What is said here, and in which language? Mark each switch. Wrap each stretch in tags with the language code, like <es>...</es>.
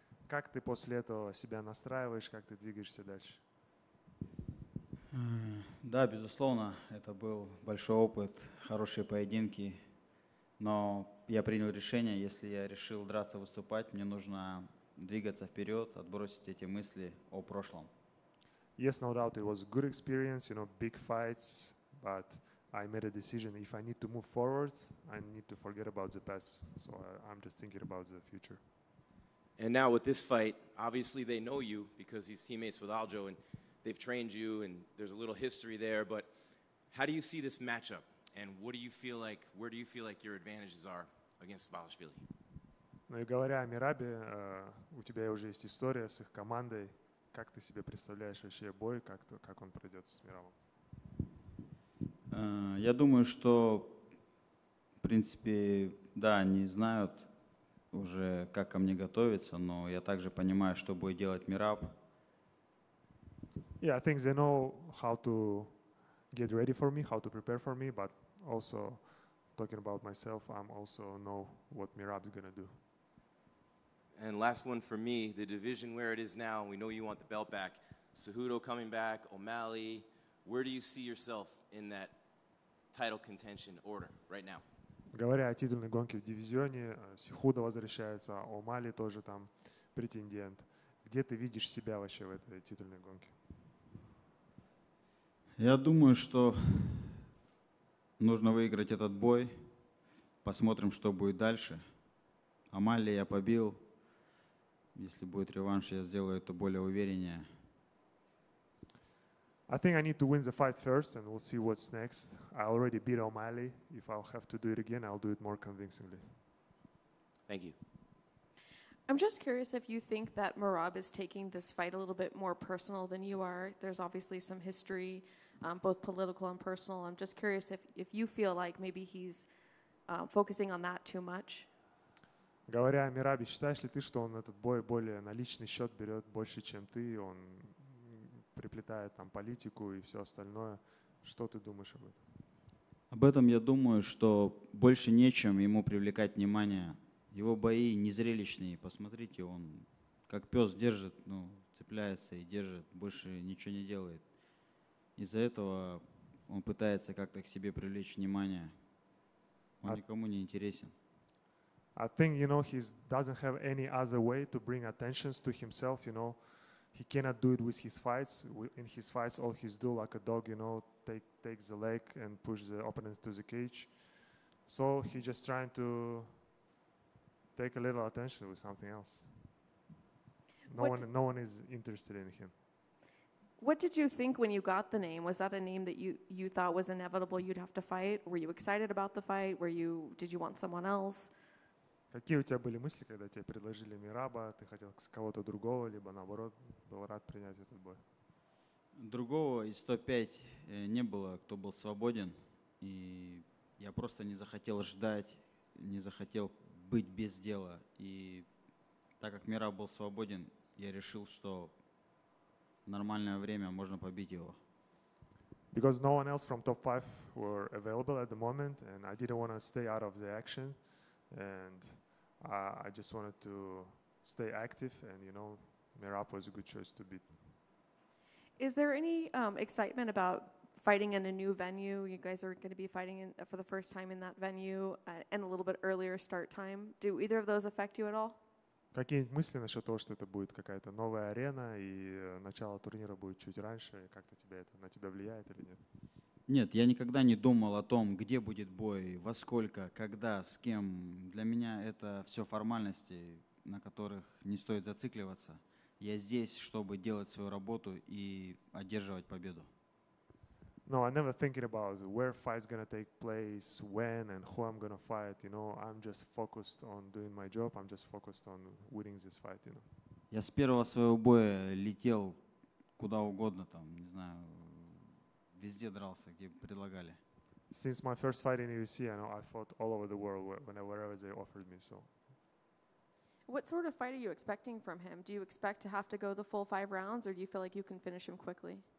<ru>Как ты после этого себя настраиваешь, как ты двигаешься дальше? Да, безусловно, это был большой опыт, хорошие поединки. Но я принял решение, если я решил драться, выступать, мне нужно двигаться вперед, отбросить эти мысли о прошлом.</ru> <en>Yes, no doubt, it was a good experience, you know, big fights, but I made a decision. If I need to move forward, I need to forget about the past. So I'm just thinking about the future. And now with this fight, obviously they know you because he's teammates with Aljo and they've trained you and there's a little history there. But how do you see this matchup? And what do you feel like, where do you feel like your advantages are against Dvalishvili?</en> <ru>Ну и говоря о Мерабе, у тебя уже есть история с их командой. Как ты себе представляешь вообще бой, как он пройдет с Мерабом? Я думаю, что, в принципе, да, они знают уже, как ко мне готовиться, но я также понимаю, что будет делать Мираб.</ru> <en>Yeah, I think they know how to get ready for me, how to prepare for me, but also talking about myself, I'm also know what Mirab's gonna do. And last one for me, the division where it is now, we know you want the belt back. Cejudo coming back, O'Malley, where do you see yourself in that title contention order right now?</en> <ru>Говоря о титульной гонке в дивизионе, Сихуда возвращается, О'Малли тоже там претендент. Где ты видишь себя вообще в этой титульной гонке? Я думаю, что нужно выиграть этот бой. Посмотрим, что будет дальше. О'Малли я побил. Если будет реванш, я сделаю это более увереннее.</ru> <en>I think I need to win the fight first, and we'll see what's next. I already beat O'Malley. If I'll have to do it again, I'll do it more convincingly. Thank you. I'm just curious if you think that Merab is taking this fight a little bit more personal than you are. There's obviously some history, both political and personal. I'm just curious if you feel like maybe he's focusing on that too much.</en> <ru>Говоря о Мерабе, считаешь ли ты, что он этот бой более на личный счет берет больше, чем ты? Он приплетает там политику и все остальное. Что ты думаешь об этом? Об этом я думаю, что больше нечем ему привлекать внимание. Его бои незрелищные. Посмотрите, он как пес держит, ну, цепляется и держит, больше ничего не делает. Из-за этого он пытается как-то к себе привлечь внимание. Он никому не интересен.</ru> <en>I think, you know, he doesn't have any other way to bring attention to himself, you know. He cannot do it with his fights. In his fights, all he's do like a dog, you know, take the leg and push the opponent to the cage. So he's just trying to take a little attention with something else. No one is interested in him. What did you think when you got the name? Was that a name that you thought was inevitable you'd have to fight? Were you excited about the fight? Did you want someone else?</en> <ru>Какие у тебя были мысли, когда тебе предложили Мираба? Ты хотел с кого-то другого, либо наоборот, был рад принять этот бой? Другого из 105 не было, кто был свободен. И я просто не захотел ждать, не захотел быть без дела. И так как Мираб был свободен, я решил, что в нормальное время можно побить его.</ru> <en>Because no one else from top 5 were available at the moment, and I didn't want to stay out of the action. And I just wanted to stay active, and you know, Merab was a good choice to beat. Is there any excitement about fighting in a new venue? You guys are going to be fighting for the first time in that venue, and a little bit earlier start time. Do either of those affect you at all?</en> <ru>Какие мысли насчет того, что это будет какая-то новая арена и начало турнира будет чуть раньше? Как-то тебя это на тебя влияет или нет? Нет, я никогда не думал о том, где будет бой, во сколько, когда, с кем. Для меня это все формальности, на которых не стоит зацикливаться. Я здесь, чтобы делать свою работу и одерживать победу.</ru> <en>No, I never thinking about where fight's gonna take place, when and who I'm gonna fight. You know, I'm just focused on doing my job. I'm just focused on winning this fight. You know.</en> <ru>Я с первого своего боя летел куда угодно там, не знаю, везде дрался, где предлагали.</ru> <en>Since my first fight in UFC, I know I fought all over the world wherever they offered me. So. What sort of fight are you expecting from him? Do you expect to have to go the full five rounds, or do you feel like you can finish him quickly?</en>